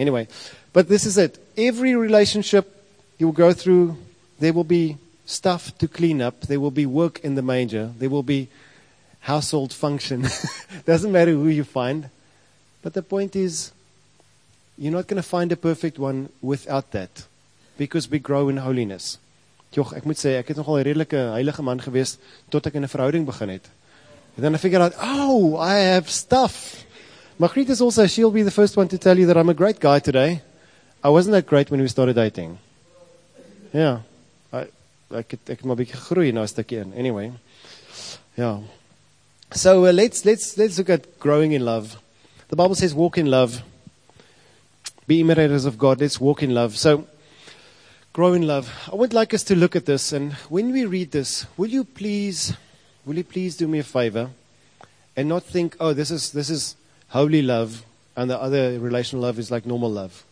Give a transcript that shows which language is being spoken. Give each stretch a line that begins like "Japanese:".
English: Anyway, but this is it. Every relationship you will go through, there will be stuff to clean up. There will be work in the manger. There will be household function. Doesn't matter who you find. But the point is, you're not going to find a perfect one without that. Because we grow in holiness.
Afrikaans: Joch, ek moet sê, ek het nogal 'n redelike heilige man gewees tot ek in 'n verhouding begin het.
English: And then I figured out, oh, I have stuff. Magriet is also, she'll be the first one to tell you that I'm a great guy today. I wasn't that great when we started dating. Yeah.
Afrikaans: Ek het maar 'n bietjie gegroei nou 'n stukkie in.
English: Anyway. Yeah. So let's look at growing in love. The Bible says walk in love. Be imitators of God. Let's walk in love. So grow in love. I would like us to look at this. And when we read this, will you please do me a favor and not think, oh, this is holy love and the other relational love is like normal love.